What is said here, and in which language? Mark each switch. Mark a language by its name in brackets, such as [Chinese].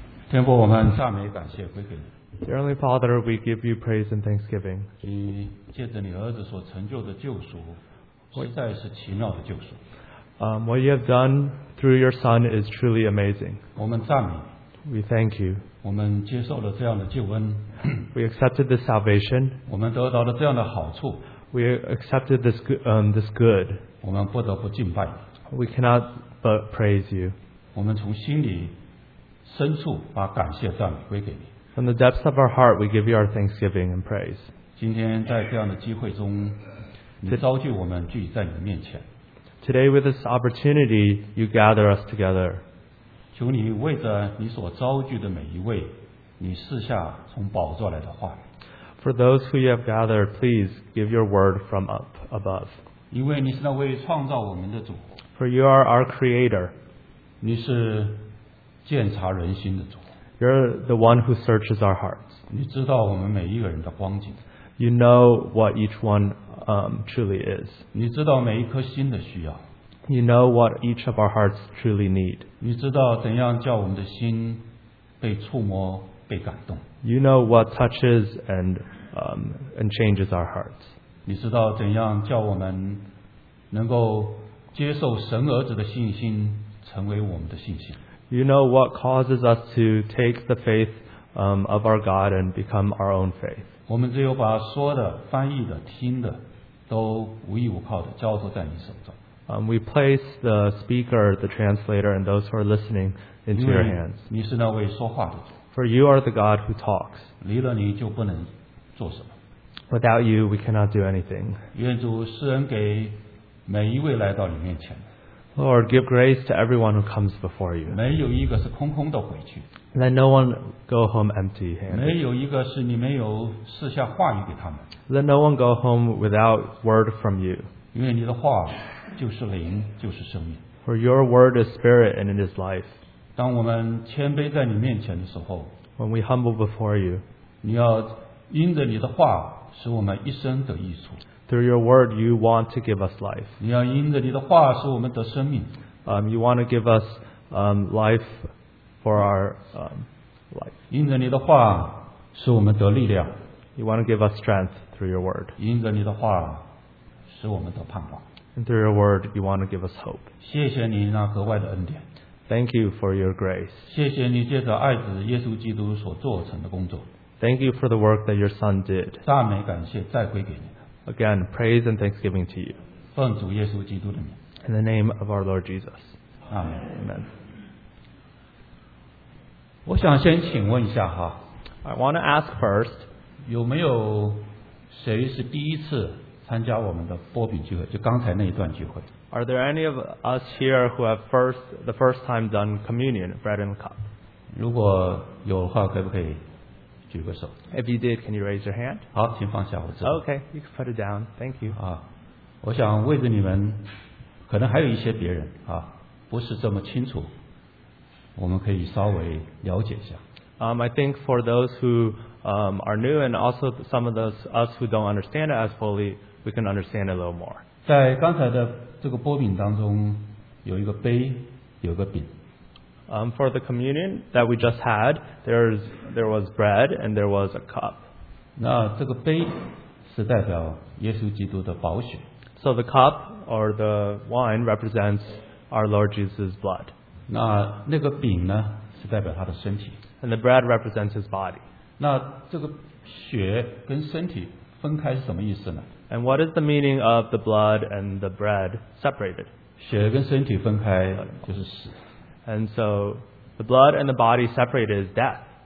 [Chinese] 天父，我们赞美感谢归给你。 [English] Dear Heavenly Father, we give you praise and thanksgiving. [Chinese] 你借着你儿子所成就的救赎，实在是奇妙的救赎。 [English] What you have done through your Son is truly amazing. [Chinese] 我们赞美。 [English] We thank you. [Chinese] 我们接受了这样的救恩。 [English] We accepted this salvation. [Chinese] 我们得到了这样的好处。 [English] We accepted this good. [Chinese] 我们不得不敬拜。 [English] We cannot but praise you. [Chinese] 我们从心里深处把感谢赞美归给你。 [English] From the depths of our heart, we give you our thanksgiving and praise. [Chinese] 今天在这样的机会中，你召聚我们聚在你面前。 [English] Today with this opportunity, you gather us together. [Chinese] 求你为着你所召聚的每一位，你赐下从宝座来的话。 [English] For those who you have gathered, please give your word from up above. [Chinese] 因为你是那位创造我们的主。 [English] For you are our creator. [Chinese] 你是鉴察人心的主。 [English] You're the one who searches our hearts. [Chinese] 你知道我们每一个人的光景。 [English] You know what each one truly is. [Chinese] 你知道每一颗心的需要。 [English] You know what each of our hearts truly need. [Chinese] 你知道怎样叫我们的心被触摸、被感动。 [English] You know what touches and changes our hearts. [Chinese] 你知道怎样叫我们能够接受神儿子的信心成为我们的信心。 [English] You know what causes us to take the faith of our God and become our own faith. [Chinese] 我们只有把说的、翻译的、听的都无依无靠的交托在你手中。 [English] We place the speaker, the translator, and those who are listening into your hands. [Chinese] 你是那位说话的主。 [English] For you are the God who talks. [Chinese] 离了你就不能做什么。 [English] Without you, we cannot do anything. [Chinese] 愿主施恩给每一位来到你面前。 [English] Lord, give grace to everyone who comes before you. [Chinese] 没有一个是空空的回去。 [English] Let no one go home empty-handed. [Chinese] 没有一个是你没有赐下话语给他们。 [English] Let no one go home without word from you. [Chinese] 因为你的话就是灵，就是生命。 [English] For your word is spirit and it is life. [Chinese] 当我们谦卑在你面前的时候， [English] When we humble before you, [Chinese] 你要因着你的话使我们一生得益处。 [English] Through your word, you want to give us life. [Chinese] 你要因着你的话使我们得生命。 [English] You want to give us life for our life. [Chinese] 因着你的话使我们得力量。 [English] You want to give us strength through your word. [Chinese] 因着你的话使我们得盼望。 [English] And through your word, you want to give us hope. [Chinese] 谢谢你那格外的恩典。 [English] Thank you for your grace. [Chinese] 谢谢你借着爱子耶稣基督所做成的工作。 [English] Thank you for the work that your son did. [Chinese] 赞美感谢再归给你。 [English] Again, praise and thanksgiving to you. [Chinese] 奉主耶稣基督的名。 [English] In the name of our Lord Jesus. Amen. Amen. [Chinese] 我想先请问一下哈。 [English] I want to ask first, [Chinese] 有没有谁是第一次参加我们的波比聚会，就刚才那一段聚会。 [English] Are there any of us here who have the first time done communion, bread and cup? [Chinese] 如果有的话可不可以举个手。 [English] If you did, can you raise your hand? [Chinese] 好，请放下，我知道。 [English] Okay, you can put it down. Thank you. [Chinese] 啊，我想为着你们，可能还有一些别人啊，不是这么清楚，我们可以稍微了解一下。 [English] I think for those who are new and also some of those us who don't understand it as fully, we can understand it a little more. [Chinese] 在刚才的这个波饼当中，有一个杯，有一个饼。 [English] For the communion that we just had, there was bread and there was a cup. [Chinese] 那这个杯是代表耶稣基督的宝血。 [English] So the cup or the wine represents our Lord Jesus' blood. [Chinese] 那个饼呢是代表他的身体。 [English] And the bread represents his body. [Chinese] 那这个血跟身体分开是什么意思呢？ [English] And what is the meaning of the blood and the bread separated? [Chinese] 血跟身体分开就是死。 [English] And so the blood and the body separated is death.